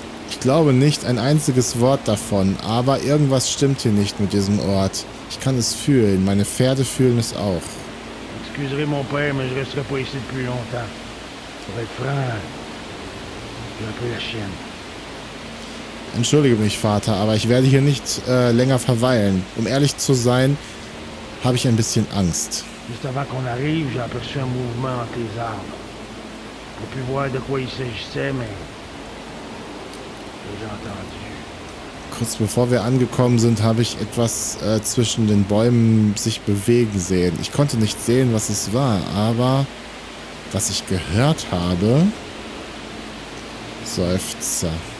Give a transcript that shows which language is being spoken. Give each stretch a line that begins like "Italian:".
German: Ich glaube nicht ein einziges Wort davon, aber irgendwas stimmt hier nicht mit diesem Ort. Ich kann es fühlen, meine Pferde fühlen es auch.
French: Excusez mon père, mais je resterai pas ici depuis longtemps. Pour être franc, j'ai un peu la chienne.
German: Entschuldige mich, Vater, aber ich werde hier nicht länger verweilen. Um ehrlich zu sein, habe ich ein bisschen Angst.
French: Juste avant qu'on arrive, j'ai aperçu un mouvement entre les arbres. J'ai pu voir de quoi il s'agissait, mais j'ai entendu.
German: Kurz bevor wir angekommen sind, habe ich etwas zwischen den Bäumen sich bewegen sehen. Ich konnte nicht sehen, was es war, aber was ich gehört habe, Seufzer.